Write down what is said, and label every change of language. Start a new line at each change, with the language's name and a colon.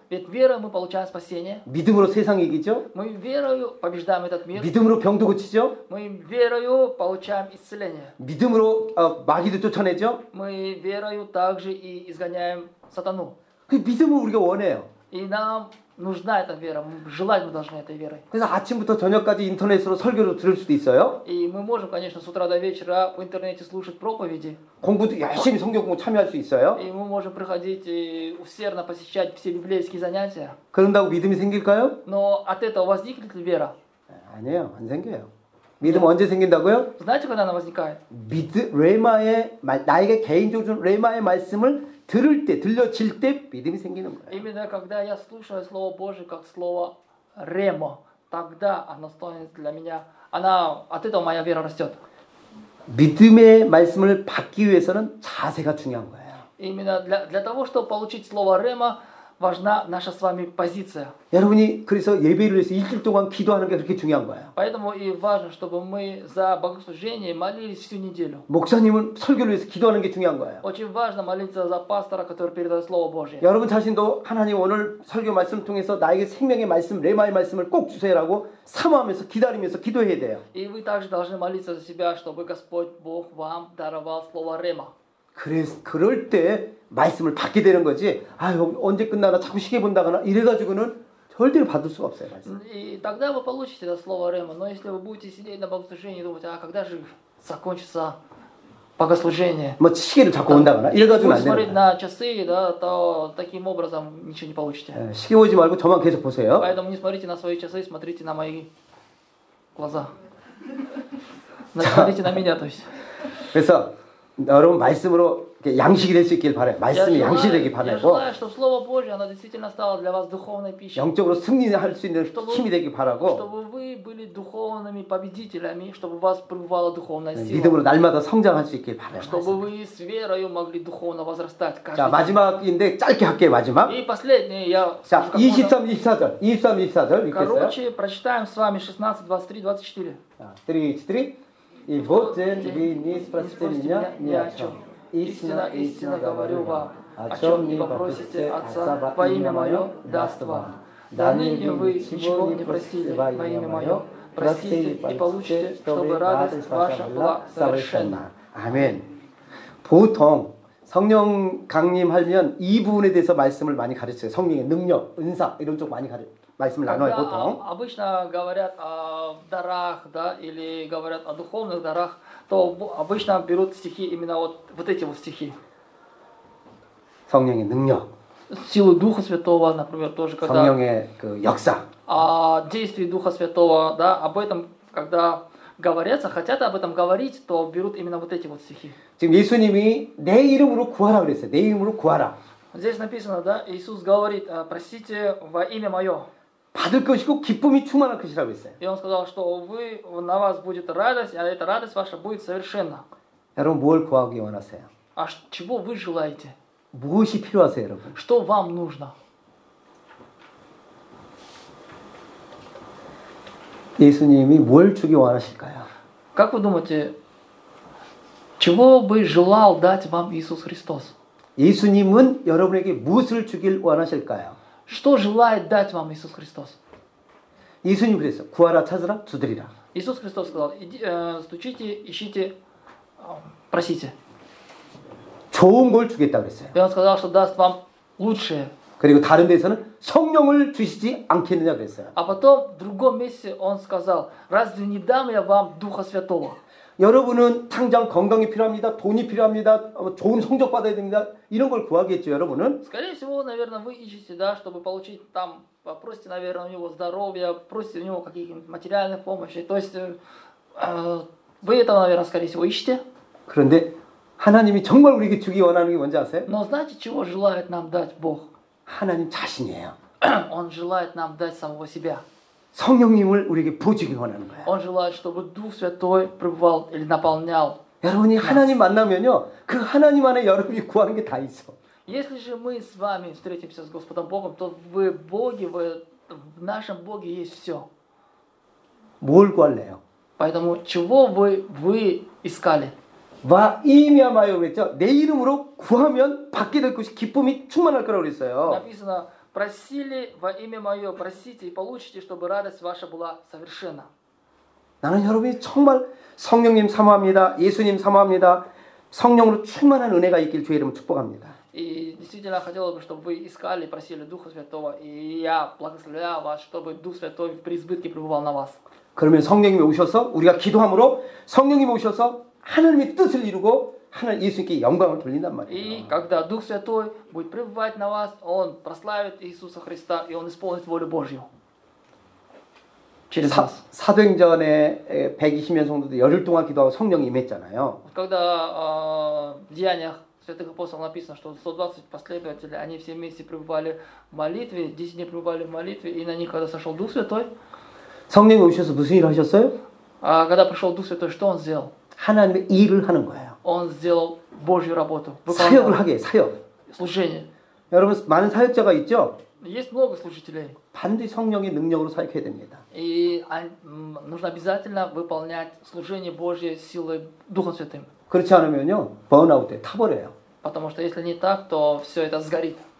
Russian: Ведь верой мы получаем спасение.
Korean: 믿음으로 세상 이기죠?
Russian: Мы верою побеждаем этот мир.
Korean: 믿음으로 병도 고치죠?
Russian: Мы верою получаем исцеление.
Korean: 믿음으로 마귀도 쫓아내죠?
Russian: Мы верою также и изгоняем сатану.
Korean: 그 믿음을 우리가 원해요.
Russian: И нам нужна эта вера. Желать мы должны этой веры.
Korean: 그래서 아침부터 저녁까지 인터넷으로 설교를 들을 수도 있어요.
Russian: И мы можем, конечно, с утра до вечера в интернете слушать проповеди.
Korean: 공부도 열심히 성경 공부 참여할 수 있어요.
Russian: И мы можем приходить и усердно посещать все библейские занятия.
Korean: 그런다고 믿음이 생길까요?
Russian: Но от этого возникнет ли вера?
Korean: 아니에요, 안 생겨요. 믿음 언제 생긴다고요?
Russian: Знаете, когда она возникает?
Korean: 믿음 레마의 말 나에게 개인적으로 레마의 말씀을 들을 때 들려질 때 믿음이 생기는 거예요.
Russian: Именно когда я слушаю слово Божье как слово рема, тогда оно становится для меня, она от этого моя вера растет.
Korean: 믿음의 말씀을 받기 위해서는 자세가 중요한 거예요.
Russian: Именно для того, чтобы получить слово рема, важна наша с вами позиция.
Korean: 여러분이 그래서 예배를 위해서 일주일 동안 기도하는 게 그렇게 중요한 거예요.
Russian: Поэтому и важно, чтобы мы за богослужение молились всю неделю.
Korean: 목사님은 설교를 위해서 기도하는 게 중요한 거예요.
Russian: Очень важно молиться за пастора, который передает слово Божье.
Korean: 여러분 자신도 하나님 오늘 설교 말씀 통해서 나에게 생명의 말씀, 레마의 말씀을 꼭 주세요라고 사모하면서 기다리면서 기도해야 돼요.
Russian: И вы также должны молиться за себя, чтобы Господь Бог вам даровал слово рема.
Korean: 그럴 때 말씀을 받게 되는 거지. 아유, 언제 끝나나 자꾸 시계 본다거나 이래 가지고는 절대로 받을 수가 없어요, 말씀.
Russian: И тогда вы получите это слово рема, но если вы будете сидеть на богослужении и думать, а когда же закончится богослужение?
Korean: 뭐 시계를 자꾸 본다거나 이래 가지고는 안 돼요.
Russian: Смотреть на часы, да, то таким образом ничего не получите.
Korean: 시계 보지 말고 저만 계속 보세요.
Russian: Поэтому не смотрите на свои часы, смотрите на мои глаза. Смотрите на меня, то есть.
Korean: 그래서 여러분 말씀으로 양식이 될 수 있길 바래. 말씀이 양식이 되길 바라고. 예수님, 슬로바 보지,
Russian: она действительно стала для вас духовной пищей.
Korean: 영적으로 승리할 수 있는 힘이 되길 바라고.
Russian: Чтобы вы были духовными победителями, чтобы вас пребывала духовная сила.
Korean: 믿음으로 날마다 성장할 수 있길 바래.
Russian: Чтобы вы с верою могли духовно возрастать каждый.
Korean: 자 마지막인데 짧게 할게 마지막.
Russian: И последнее, я.
Korean: 자 23-24절. 23-24절 읽겠어요.
Russian: Короче, прочитаем с вами 16:23-24. 3:3. И вот день, вы не спросите меня ни о чем. Истинно, истинно говорю вам, о чем не попросите Отца во имя Мое, даст вам. Да ныне вы ничего не просили во имя Мое, просите и получите, чтобы радость ваша была совершенна. Аминь.
Korean: 보통 성령 강림하면 이 부분에 대해서 말씀을 많이 가르쳐요. 성령의 능력, 은사 이런 쪽 많이 가르쳐요. 말씀을 나눠요, 보통.
Russian: Обычно говорят о дарах, да, или говорят о духовных дарах, то обычно берут стихи именно вот вот эти вот стихи.
Korean: 성령의 능력.
Russian: Силу Духа Святого, например, тоже когда.
Korean: 성령의 그 역사.
Russian: А действия Духа Святого, да, об этом когда говорятся, хотят об этом говорить, то берут именно вот эти вот стихи.
Korean: 지금 예수님이 내 이름으로 구하라 그랬어요. 내 이름으로 구하라.
Russian: Здесь написано, да, Иисус говорит, просите во имя Мое.
Korean: 받을 것이고 기쁨이 충만할 것이라고 했어요.
Russian: 영스가 что вы на вас будет радость, а эта радость ваша будет совершенна.
Korean: 여러분 뭘 구하기 원하세요?
Russian: А чего вы желаете?
Korean: 무엇이 필요하세요, 여러분?
Russian: Что вам нужно?
Korean: 예수님이 뭘 주기 원하실까요?
Russian: Как вы думаете, чего бы желал дать вам Иисус Христос?
Korean: 예수님은 여러분에게 무엇을 주길 원하실까요?
Russian: Что желает дать вам Иисус Христос? Иисус не говорит: "Куара чазра, чудрира". Иисус Христос сказал: "Иди, стучите, ищите, просите".
Korean: 좋은 걸 주겠다 그랬어요.
Russian: И он сказал, что даст вам лучшее.
Korean: 그리고 다른 데서는 성령을 주시지 않겠느냐 그랬어요.
Russian: А потом в другом месте он сказал: "Разве не дам я вам Духа Святого?"
Korean: 여러분은 당장 건강이 필요합니다. 돈이 필요합니다. 좋은 성적 받아야 됩니다. 이런 걸 구하겠죠, 여러분은.
Russian: Скорее всего, наверное, вы ищете, да, чтобы получить там, попросите, наверное, у него здоровья, просите у него каких-нибудь материальных помощи. То есть вы этого, наверное, скорее всего, ищете.
Korean: 그런데 하나님이 정말 우리에게 주기 원하는 게 뭔지 아세요?
Russian: Но знаете, чего желает нам дать Бог?
Korean: 하나님 자신이에요.
Russian: Он желает нам дать самого себя.
Korean: 성령님을 우리에게 부어주기 원하는 거예요.
Russian: Он желает, чтобы Дух Святой пребывал или наполнял.
Korean: 여러분이 하나님 만나면요, 그 하나님 안에 여러분이 구하는 게 다 있어.
Russian: Если же мы с вами встретимся с Господом Богом, то в Боге, в нашем Боге есть все.
Korean: 뭘 구할래요?
Russian: Поэтому чего вы искали?
Korean: 와 임야마요 그랬죠? 내 이름으로 구하면 받게 될 것이 기쁨이 충만할 거라고 그랬어요.
Russian: Написано, просили во имя мое, просите и получите, чтобы радость ваша была совершена.
Korean: 나는 여러분이 정말 성령님 사모합니다. 예수님 사모합니다. 성령으로 충만한 은혜가 있길 주의 이름 축복합니다.
Russian: И действительно хотелось бы, чтобы вы искали, просили Духа Святого, и я благословляю вас, чтобы Дух Святой при избытке пребывал на вас.
Korean: 그러면 성령님이 오셔서 우리가 기도함으로 성령님이 오셔서 하나님의 뜻을 이루고 하나님 예수님께 영광을 돌린단 말이에요.
Russian: И когда Дух Святой будет пребывать на вас, он прославит Иисуса Христа и он исполнит волю Божью.
Korean: 사도행전에 120명 성도들 열흘 동안 기도하고 성령 임했잖아요.
Russian: Когда деяниях святых апостолов написано, что 120 последователей, они все вместе пребывали в молитве, 10 дней пребывали в молитве, и на них когда сошел Дух Святой.
Korean: 성령이 오셔서 무슨 일을 하셨어요?
Russian: Когда пришел Дух Святой, что он сделал?
Korean: 하나님의 일을 하는 거예요.
Russian: Он сделал Божью работу.
Korean: 사역을 하게, 사역.
Russian: Служение.
Korean: 여러분, 많은 사역자가 있죠?
Russian: Есть много служителей.
Korean: 반드시 성령의 능력으로 사역해야 됩니다.
Russian: И нужно обязательно выполнять служение Божье силой Духа Святым.
Korean: 그렇지 않으면요, 번아웃 돼, 타버려요.
Russian: Потому что если не так, то все это сгорит.